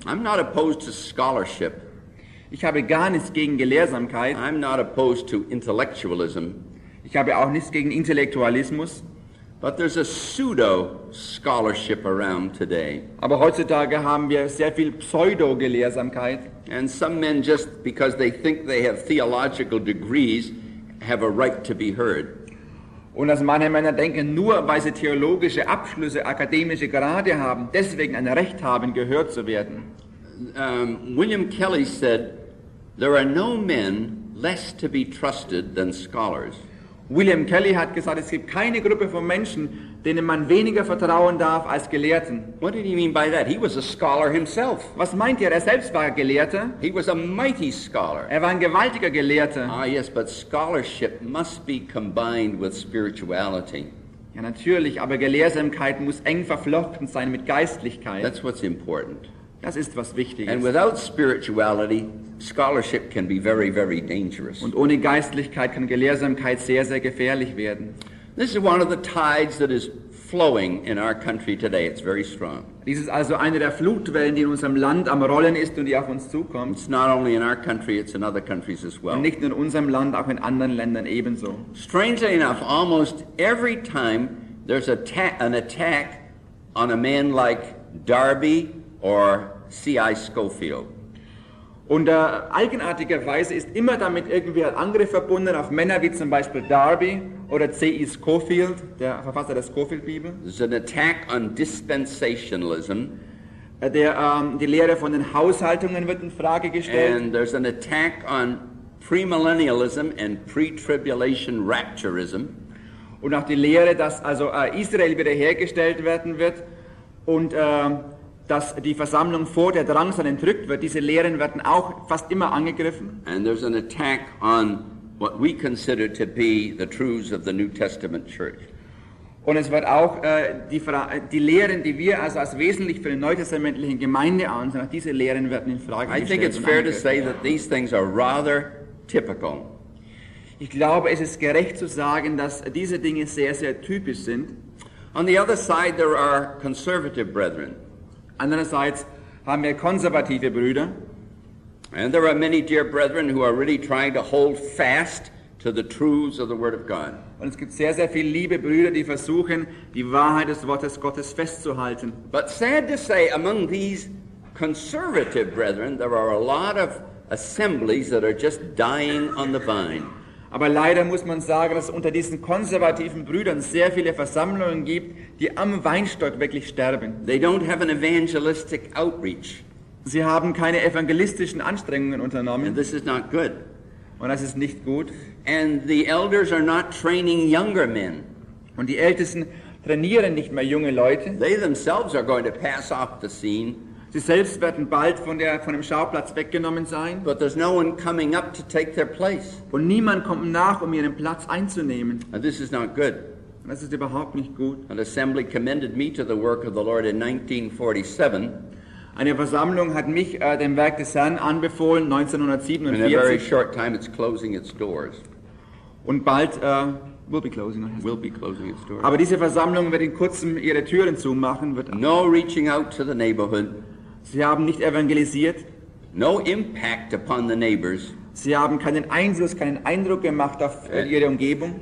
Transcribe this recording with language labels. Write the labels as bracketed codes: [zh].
[en] I'm not opposed to scholarship. [de] Ich habe gar nichts gegen Gelehrsamkeit. [en] I'm not opposed to intellectualism. [de] Ich habe auch nichts gegen Intellektualismus. [en] But there's a pseudo-scholarship around today. [de] Aber heutzutage haben wir sehr viel Pseudo-Gelehrsamkeit. [en] And some men, just because they think they have theological degrees, have a right to be heard. [de] Und dass manche Männer denken, nur weil sie theologische Abschlüsse, akademische Grade haben, deswegen ein Recht haben, gehört zu werden. [en] William Kelly said, there are no men less to be trusted than scholars. [de] William Kelly hat gesagt, es gibt keine Gruppe von Menschen, denen man weniger vertrauen darf als Gelehrten. [en] What did he mean by that? He was a scholar himself. [de] Was meint er? Er selbst war Gelehrter. [en] He was a mighty scholar. [de] Er war ein gewaltiger Gelehrter. [en] Ah, yes, but scholarship must be combined with spirituality. [de] Ja, natürlich, aber Gelehrsamkeit muss eng verflochten sein mit Geistlichkeit. [en] That's what's important. [de] Das ist was Wichtiges. [en] And without spirituality, scholarship can be very, very dangerous. [de] Und ohne Geistlichkeit kann Gelehrsamkeit sehr, sehr gefährlich werden. [en] This is one of the tides that is flowing in our country today. It's very strong. [de] Dies ist also eine der Flutwellen, die in unserem Land am Rollen ist und die auf uns zukommt. [en] It's not only in our country, it's in other countries as well. [de] Und nicht nur in unserem Land, auch in anderen Ländern ebenso. [en] Strangely enough, almost every time there's an attack on a man like Darby or C.I. Schofield. [de] Und eigenartigerweise ist immer damit irgendwie ein Angriff verbunden auf Männer wie zum Beispiel Darby oder C.E. Schofield, der Verfasser der Schofield-Bibel. [en] It's an attack on dispensationalism. [de] Die Lehre von den Haushaltungen wird in Frage gestellt. [en] And there's an attack on premillennialism and pre-tribulation rapturism. [de] Und auch die Lehre, dass also Israel wiederhergestellt werden wird. und dass die Versammlung vor der Drangsal entrückt wird. Diese Lehren werden auch fast immer angegriffen. [en] And there's an attack on what we consider to be the truths of the New Testament church. [de] Und es wird auch die Lehren, die wir also als wesentlich für die neutestamentliche Gemeinde ansehen, auch diese Lehren werden in Frage gestellt. [en] I think it's fair to say that these things are rather typical. [de] Ich glaube, es ist gerecht zu sagen, dass diese Dinge sehr, sehr typisch sind. [en] On the other side, there are conservative brethren. [de] Andererseits haben wir konservative Brüder. [en] And there are many dear brethren who are really trying to hold fast to the truths of the Word of God. [de] Und es gibt sehr, sehr viele liebe Brüder, die versuchen, die Wahrheit des Wortes Gottes festzuhalten. [en] But sad to say, among these conservative brethren, there are a lot of assemblies that are just dying on the vine. [de] Aber leider muss man sagen, dass unter diesen konservativen Brüdern sehr viele Versammlungen gibt, die am Weinstock wirklich sterben. [en] They don't have an evangelistic outreach. [de] Sie haben keine evangelistischen Anstrengungen unternommen. [en] And this is not good. [de] Und das ist nicht gut. [en] And the elders are not training younger men. [de] Und die Ältesten trainieren nicht mehr junge Leute. [en] They themselves are going to pass off the scene. [de] Sie selbst werden bald von dem Schauplatz weggenommen sein. [en] But there's no one coming up to take their place. [de] Und niemand kommt nach, um ihren Platz einzunehmen. [en] And this is not good. [de] Und das ist überhaupt nicht gut. [en] An assembly commended me to the work of the Lord in 1947. [de] Eine Versammlung hat mich dem Werk des Herrn anbefohlen, 1947. [en] In a very short time it's closing its doors. [de] Und bald [en] will be closing its doors. [de] Aber diese Versammlung wird in kurzem ihre Türen zumachen. Wird [en] no reaching out to the neighborhood. [de] Sie haben nicht evangelisiert. [en] No impact upon the neighbors. [de] Sie haben keinen Eindruck gemacht auf ihre Umgebung.